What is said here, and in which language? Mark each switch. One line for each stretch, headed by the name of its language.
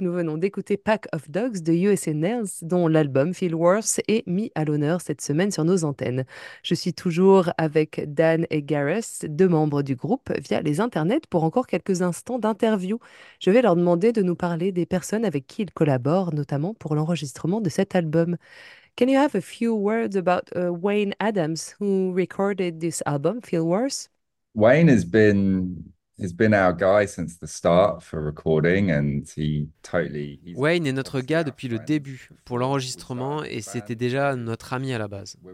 French: Nous venons d'écouter Pack of Dogs de USA Nails, dont l'album Feel Worse est mis à l'honneur cette semaine sur nos antennes. Je suis toujours avec Dan et Gareth, deux membres du groupe, via les internets pour encore quelques instants d'interview. Je vais leur demander de nous parler des personnes avec qui ils collaborent, notamment pour l'enregistrement de cet album.
English: Can you have a few words about Wayne Adams, who recorded this album, Feel Worse? Wayne has been... He's been our guy since the start for recording and he totally...
French: Wayne est notre gars depuis le début pour l'enregistrement et c'était déjà notre ami à la base.